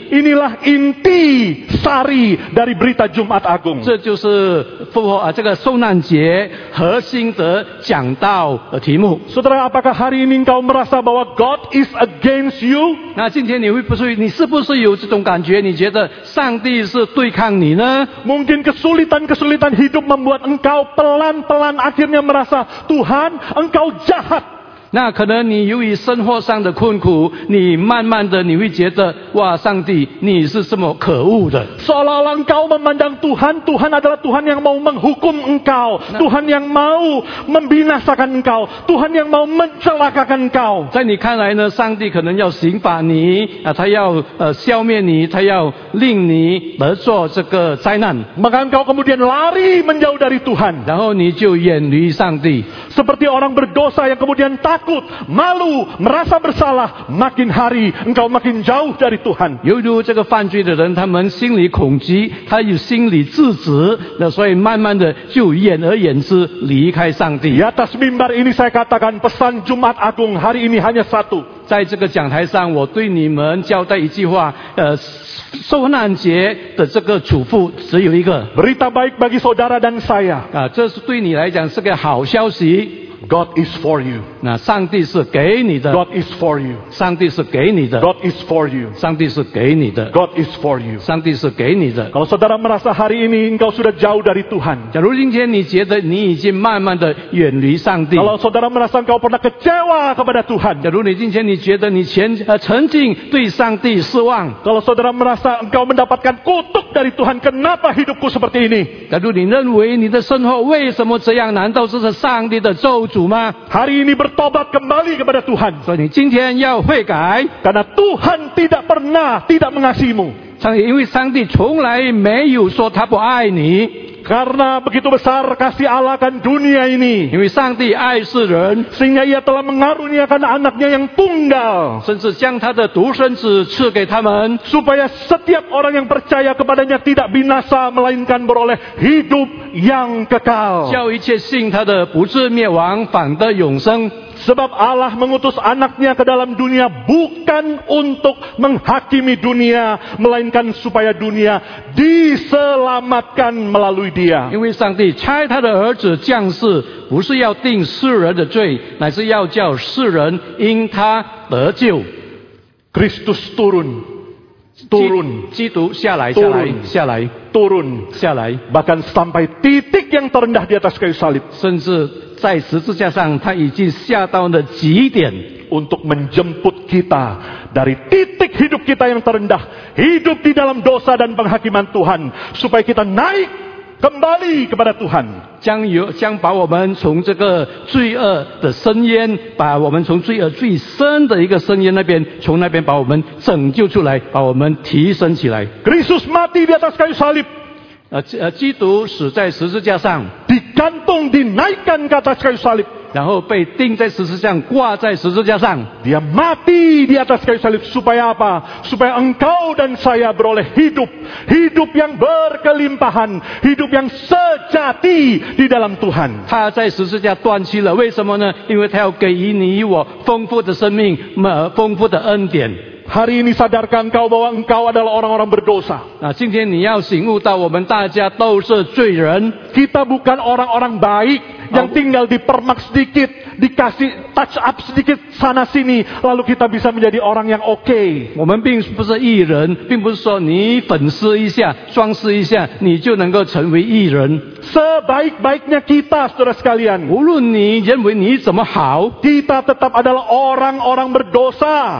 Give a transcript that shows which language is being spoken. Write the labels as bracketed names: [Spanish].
[Indonesian] Inilah inti sari dari berita Jumat Agung. [Chinese] 这就是复活啊，这个受难节核心的讲道的题目。 [Indonesian] Saudara, apakah hari ini engkau merasa bahwa [English] God is against you? [Chinese] 那今天你是不是有这种感觉？你觉得上帝是对抗你呢？ [Indonesian] Mungkin kesulitan-kesulitan hidup membuat engkau pelan-pelan akhirnya merasa Tuhan, engkau jahat. [Chinese] 那可能你由于生活上的困苦，你慢慢的你会觉得，哇，上帝，你是这么可恶的。 [Indonesian] Seolah-olah engkau memandang Tuhan, Tuhan adalah Tuhan yang mau menghukum engkau, Tuhan yang mau membinasakan engkau, Tuhan yang mau mencelakakan engkau. [Chinese] 在你看来呢，上帝可能要刑罚你啊，他要消灭你，他要令你得做这个灾难。 [Indonesian] Maka engkau kemudian lari menjauh dari Tuhan. [Chinese] 然后你就远离上帝。 [Indonesian] Seperti orang berdosa yang kemudian takut, malu, merasa bersalah, makin hari engkau makin jauh dari Tuhan. [Chinese] 由于这个犯罪的人，他们心里恐惧，他有心理自责，那所以慢慢的就远而远之，离开上帝。 [Indonesian] Di atas mimbar ini saya katakan pesan Jumat Agung hari ini hanya satu. [Chinese] 在这个讲台上，我对你们交代一句话，受难节的这个嘱咐只有一个。 [Indonesian] Berita baik bagi saudara dan saya. [Chinese] 啊，这是对你来讲是个好消息。 [English] God is for you. [Chinese] 那上帝是给你的。 [English] God is for you. [Chinese] 上帝是给你的。 [English] God is for you. [Chinese] 上帝是给你的。 [English] God is for you. [Chinese] 上帝是给你的。 [Indonesian] Kalau saudara merasa hari ini engkau sudah jauh dari Tuhan. [Chinese] 假如今天你觉得你已经慢慢的远离上帝。 [Indonesian] Kalau saudara merasa engkau pernah kecewa kepada Tuhan. [Chinese] 假如你今天你觉得你曾经对上帝失望。 [Indonesian] Kalau saudara merasa engkau mendapatkan kutuk dari Tuhan, kenapa hidupku seperti ini? [Chinese] 假如你认为你的生活为什么这样？难道这是上帝的咒诅？ [Indonesian] Hari ini bertobat kembali kepada Tuhan. [English] So, [Chinese] 你今天要悔改, [Indonesian] karena Tuhan tidak pernah tidak mengasihimu. [Chinese] 因为上帝从来没有说他不爱你。 [Indonesian] Karena begitu besar kasih Allah kan dunia ini. [Chinese] 因为上帝爱世人, [Indonesian] sehingga ia telah mengaruniakan anaknya yang tunggal, [Chinese] 甚至将他的独生子赐给他们, [Indonesian] supaya setiap orang yang percaya kepadanya tidak binasa, melainkan beroleh hidup yang kekal. [Chinese] 叫一切信他的不至灭亡, 反得永生。 [Indonesian] Sebab Allah mengutus anaknya ke dalam dunia bukan untuk menghakimi dunia, melainkan supaya dunia diselamatkan melalui dia. [Chinese] 因为上帝差他的儿子降世，不是要定世人的罪，乃是要叫世人因他得救。 [Indonesian] Kristus turun. Turun, [Chinese] 基督下来, [Indonesian] bahkan sampai titik yang terendah di atas kayu salib, [Chinese] 甚至在十字架上，他已经下到了极点 [Indonesian] untuk menjemput kita dari titik hidup kita yang terendah, hidup di dalam dosa dan penghakiman Tuhan, supaya kita naik kembali kepada Tuhan, [Chinese] 将把我们从这个罪恶的深渊，把我们从罪恶最深的一个深渊那边，从那边把我们拯救出来，把我们提升起来。 [Indonesian] Kristus mati di atas kayu salib, [Chinese] 基督死在十字架上。 [Indonesian] Digantung, dinaikkan ke atas kayu salib, [Chinese] 然后被钉在十字架，挂在十字架上。 [Indonesian] Dia mati di atas kayu salib, supaya apa? Supaya engkau dan saya beroleh hidup, hidup yang berkelimpahan, hidup yang sejati di dalam Tuhan. [Chinese] 他在十字架断气了，为什么呢？因为他要给你我丰富的生命，丰富的恩典。 [Indonesian] Hari ini sadarkan engkau bahwa engkau adalah orang-orang berdosa. [Chinese] 那今天你要醒悟到我们大家都是罪人。 [Indonesian] Kita bukan orang-orang baik yang tinggal di permak sedikit, dikasih [English] touch up [Indonesian] sedikit sana sini, lalu kita bisa menjadi orang yang okay. [Chinese] 我们并不是义人，并不是说你粉饰一下、装饰一下，你就能够成为义人。 [Indonesian] Sebaik-baiknya kita, saudara sekalian. [Chinese] 无论你认为你怎么好， [Indonesian] kita tetap adalah orang-orang berdosa.